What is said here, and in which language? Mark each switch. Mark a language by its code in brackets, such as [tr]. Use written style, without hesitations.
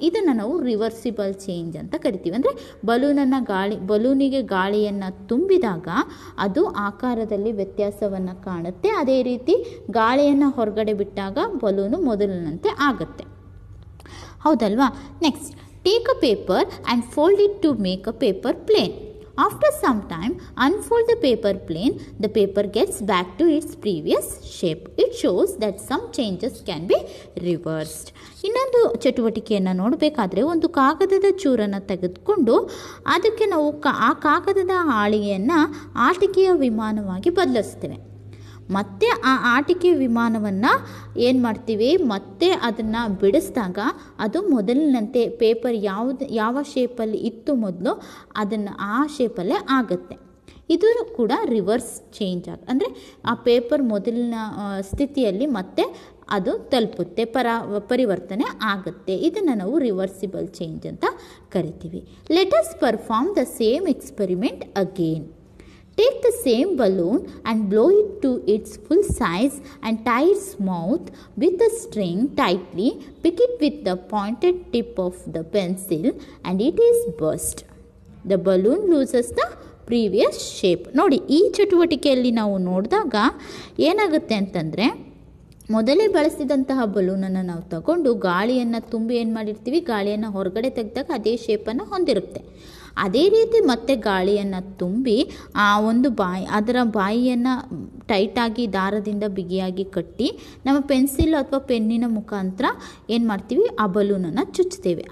[kn] ಇದನ್ನು ನಾವು reversible change ಅಂತ ಕರಿತೀವಿ. ಅಂದರೆ ಬಲೂನಿಗೆ ಗಾಳಿಯನ್ನು ತುಂಬಿದಾಗ ಅದು ಆಕಾರದಲ್ಲಿ ವ್ಯತ್ಯಾಸವನ್ನು ಕಾಣುತ್ತೆ, ಅದೇ ರೀತಿ ಗಾಳಿಯನ್ನು ಹೊರಗಡೆ ಬಿಟ್ಟಾಗ ಬಲೂನು ಮೊದಲಿನಂತೆ ಆಗುತ್ತೆ, ಹೌದಲ್ವಾ? [en] Next, take a paper and fold it to make a paper plane. After some time, unfold the paper plane, the paper gets back to its previous shape. It shows that some changes can be reversed. [kn] ಇನ್ನೊಂದು ಚಟುವಟಿಕೆಯನ್ನು ನೋಡಬೇಕಾದ್ರೆ, ಒಂದು ಕಾಗದದ ಚೂರನ್ನು ತೆಗೆದುಕೊಂಡು ಅದಕ್ಕೆ ನಾವು ಆ ಕಾಗದದ ಹಾಳೆಯನ್ನು ಆಟಿಕೆಯ ವಿಮಾನವಾಗಿ ಬದಲಿಸ್ತೇವೆ. ಮತ್ತೆ ಆ ಆಟಿಕೆ ವಿಮಾನವನ್ನು ಏನು ಮಾಡ್ತೀವಿ, ಮತ್ತೆ ಅದನ್ನು ಬಿಡಿಸಿದಾಗ ಅದು ಮೊದಲಿನಂತೆ ಪೇಪರ್ ಯಾವ ಶೇಪಲ್ಲಿ ಇತ್ತು ಮೊದಲು ಅದನ್ನು ಆ ಶೇಪಲ್ಲೇ ಆಗುತ್ತೆ. ಇದು ಕೂಡ ರಿವರ್ಸ್ ಚೇಂಜ್ ಆಗುತ್ತೆ, ಅಂದರೆ ಆ ಪೇಪರ್ ಮೊದಲಿನ ಸ್ಥಿತಿಯಲ್ಲಿ ಮತ್ತೆ ಅದು ತಲುಪುತ್ತೆ, ಪರಿವರ್ತನೆ ಆಗುತ್ತೆ. ಇದನ್ನು ನಾವು ರಿವರ್ಸಿಬಲ್ ಚೇಂಜ್ ಅಂತ ಕರಿತೀವಿ. [en] Let us perform the same experiment again. Take the same balloon and blow it to its full size and tie its mouth with a string tightly. Pick it with the pointed tip of the pencil and it is burst. The balloon loses the previous shape. [kn] ನೋಡಿ, ಈ ಚಟುವಟಿಕೆಯಲ್ಲಿ ನಾವು ನೋಡಿದಾಗ ಏನಾಗುತ್ತೆ ಅಂತಂದರೆ, ಮೊದಲೇ ಬಳಸಿದಂತಹ ಬಲೂನನ್ನು ನಾವು ತಗೊಂಡು ಗಾಳಿಯನ್ನು ತುಂಬಿ ಏನು ಮಾಡಿರ್ತೀವಿ, ಗಾಳಿಯನ್ನು ಹೊರಗಡೆ ತೆಗೆದಾಗ ಅದೇ ಶೇಪನ್ನು ಹೊಂದಿರುತ್ತೆ. ಅದೇ ರೀತಿ ಮತ್ತೆ ಗಾಳಿಯನ್ನು ತುಂಬಿ ಆ ಒಂದು ಬಾಯಿಯನ್ನು ಟೈಟಾಗಿ ದಾರದಿಂದ ಬಿಗಿಯಾಗಿ ಕಟ್ಟಿ ನಮ್ಮ ಪೆನ್ಸಿಲ್ ಅಥವಾ ಪೆನ್ನಿನ ಮುಖಾಂತರ ಏನು ಮಾಡ್ತೀವಿ, ಆ ಬಲೂನನ್ನು ಚುಚ್ಚುತ್ತೇವೆ.